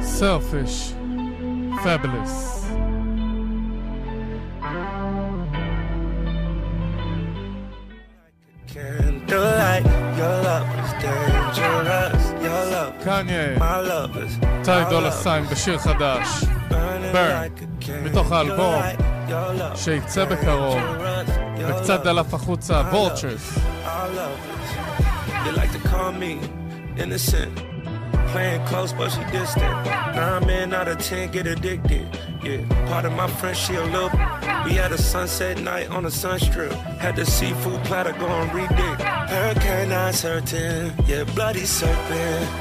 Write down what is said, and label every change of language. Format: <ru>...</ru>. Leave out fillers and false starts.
<en>Selfish. Fabulous. Like a candlelight, your love is dangerous. Your love, Kanye, my love is</en> <he>Ty Dolla Sign בשיר חדש.</he> <en>Burn.</en> <he>מתוך האלבום שיצא בקרוב וקצת דלף החוצה, Vultures.</he> <en>You like to call me innocent, playing close but she distant. 9 men out of 10 get addicted. Yeah, part of my friend, she a little. We had a sunset night on a sunstrip. Had the seafood platter going redig. Hurricane eyes hurting, yeah, bloody serpent.</en>